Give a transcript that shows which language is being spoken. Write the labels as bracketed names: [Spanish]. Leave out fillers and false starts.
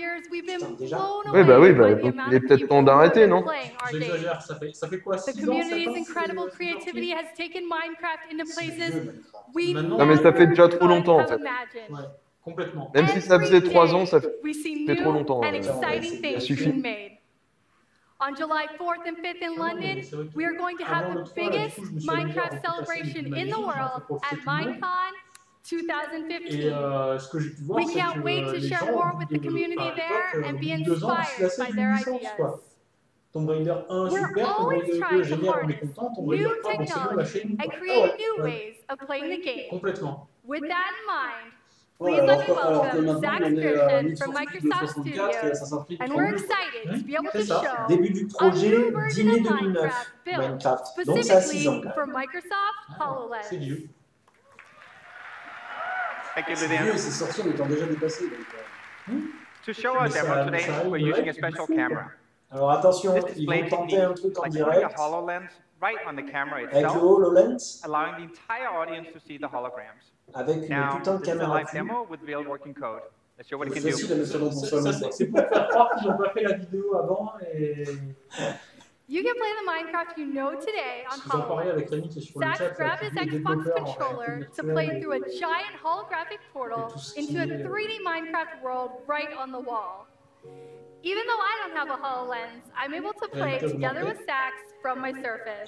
[French] Oui, bah oui, bah, donc, il est peut-être temps d'arrêter, non ? J'exagère, ça fait quoi, 6 ans, 7 ans, c'est vieux, non, mais ça fait déjà trop longtemps, en fait. Ouais, complètement. Même si ça faisait 3 ans, ça fait trop longtemps. Ça suffit. [English] On July 4th and 5th in London, we are going to have the biggest Minecraft celebration in the world at Minecon 2015. We can't wait to share more with the community there and be inspired by their ideas. [French] Tomb Raider 1, super, Tomb Raider 2, génial, on est content. Tomb Raider 3, on s'est lâché. [English] And create new ways of playing the game. [French] Complètement. [English] With that in mind, please let me welcome Zach Pearson from Microsoft Studios, and we're excited to be able to show a new version of Minecraft built specifically for Microsoft HoloLens. [French] C'est vieux. [English] Thank you, Lydia. [French] C'est vieux, c'est sorti, mais t'en déjà dépassé. [English] To show our demo today, we're using a special camera. [French] Alors attention, ils vont tenter un truc en direct. [English] HoloLens right on the camera itself, [French] avec le HoloLens, [English] allowing the entire audience to see the holograms. [French] Avec une putain de caméra. [English] Live demo with real working code. Let's show what it can do. [French] C'est pour faire croire que j'ai pas fait la vidéo avant et. [English] You can play the Minecraft you know today on HoloLens. Zach, grab his Xbox controller to play through a giant holographic portal into a 3D Minecraft world right on the wall. Even though I don't have a HoloLens, I'm able to play together with Zach from my Surface.